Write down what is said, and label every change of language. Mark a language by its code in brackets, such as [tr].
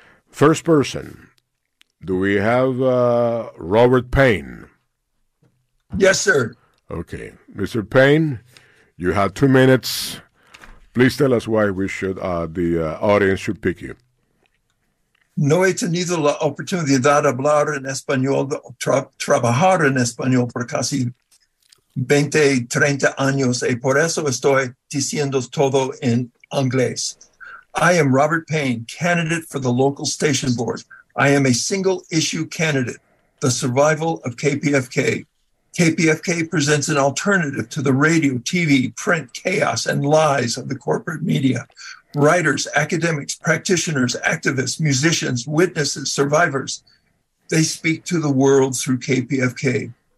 [en] First person, do we have Robert Payne? Yes, sir. Okay. Mr. Payne, you have 2 minutes. Please tell us why we should the audience should pick you. [es] No he tenido la oportunidad de hablar en español, trabajar en español por casi 20, 30 años, y por eso estoy diciendo todo en inglés. [en] I am Robert Payne, candidate for the local station board. I am a single-issue candidate, the survival of KPFK. KPFK presents an alternative to the radio, TV, print, chaos, and lies of the corporate media. Writers, academics, practitioners, activists, musicians, witnesses, survivors, they speak to the world through KPFK.